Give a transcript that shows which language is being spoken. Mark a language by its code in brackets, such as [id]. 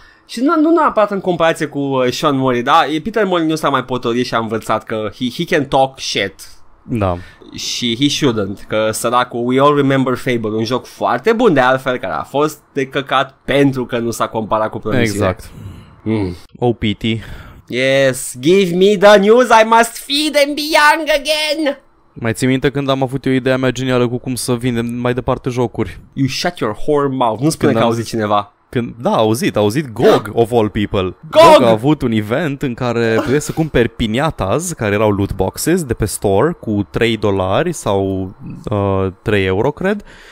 [ro] Și nu neapărat în comparație cu Sean Murray, da? Peter Molyneux s-a mai potolit și a învățat că [en] he can talk shit. [ro] Da. Și [en] he shouldn't, [ro] că săracul. [en] We all remember Fable, [ro] un joc foarte bun de altfel, care a fost de căcat pentru că nu s-a comparat cu promisiile. [en] Exact. Oh, pity. Yes, give me the news, I must feed and be young again. [ro] Mai ții minte când am avut eu ideea mea genială cu cum să vindem mai departe jocuri? [en] You shut your whore mouth, [ro] nu spune că auzit cineva. A auzit [en] GOG, of all people. [ro] GOG a avut un event în care puteai să cumperi piñatas, care erau loot boxes de pe store, cu $3 sau 3 euro, cred.